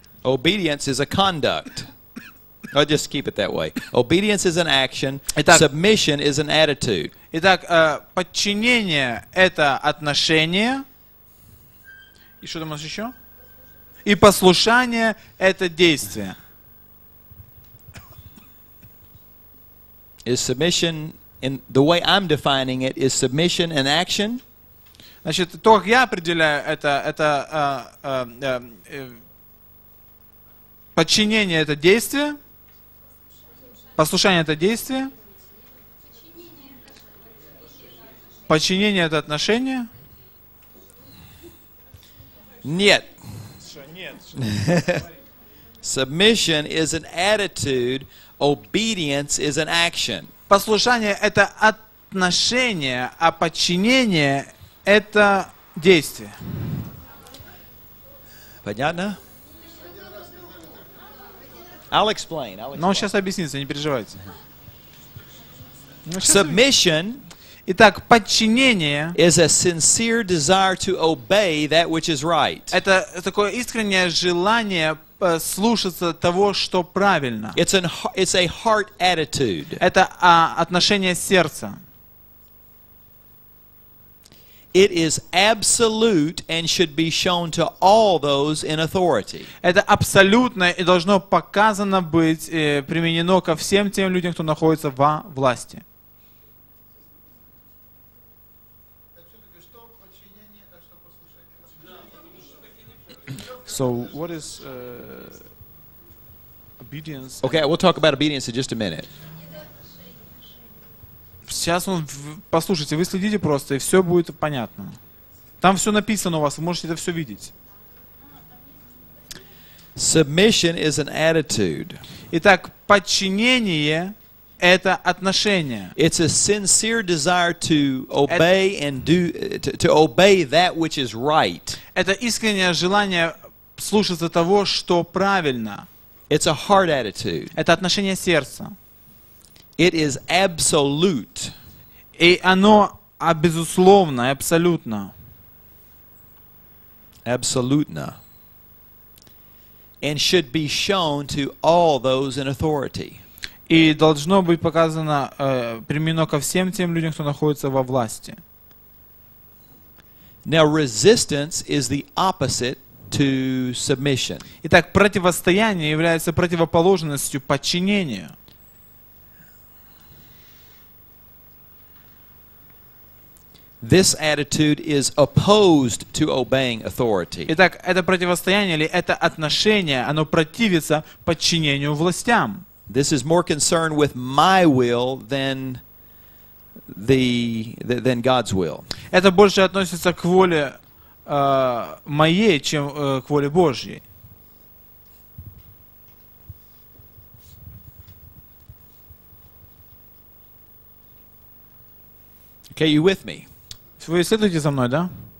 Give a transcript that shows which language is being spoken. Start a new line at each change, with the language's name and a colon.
English: Obedience is a conduct. I'll just keep it that way. Obedience is an action.
Russian: Итак,
English: submission is an attitude.
Russian: Итак, подчинение – это отношение. И что там у нас еще? И послушание – это действие.
English: Is submission, in the way I'm defining it, is submission an action?
Russian: Значит, то, как я определяю это подчинение – это действие. Послушание – это действие. Подчинение – это отношение? Нет. Нет.
English: Submission is an attitude, obedience is an action.
Russian: Послушание – это отношение, а подчинение – это действие. Понятно?
English: I'll explain.
Russian: Но он сейчас объяснится, не переживайте.
English: Submission.
Russian: Итак, подчинение.
English: Is a sincere desire to obey that which is right.
Russian: Это такое искреннее желание слушаться того, что правильно.
English: It's a heart attitude.
Russian: Это отношение сердца.
English: It is absolute and should be shown to all those in authority.
Russian: Это абсолютно и должно показано быть применено ко всем тем людям, кто находится во власти.
English: So what is obedience? Okay, we'll talk about obedience in just a minute.
Russian: Сейчас он, послушайте, вы следите просто, и все будет понятно. Там все написано у вас, вы можете это все видеть.
English: Submission is an attitude.
Russian: Итак, подчинение – это отношение.
English: It's a sincere desire to obey and do to obey that which is right.
Russian: Это искреннее желание слушаться того, что правильно.
English: It's a heart attitude.
Russian: Это отношение сердца.
English: It is absolute.
Russian: И оно безусловно, абсолютно. Абсолютно.
English: And should be shown to all those in authority.
Russian: И должно быть показано применено ко всем тем людям, кто находится во власти.
English: Now resistance is the opposite to submission.
Russian: Итак, противостояние является противоположностью подчинению.
English: This attitude is opposed to obeying authority.
Russian: Итак, это противостояние или это отношение, оно противится подчинению властям.
English: This is more concerned with my will than than God's will.
Russian: Это больше относится к воле моей, чем к воле Божьей.
English: Okay, you with me?
Russian: Вы следуете за мной, да?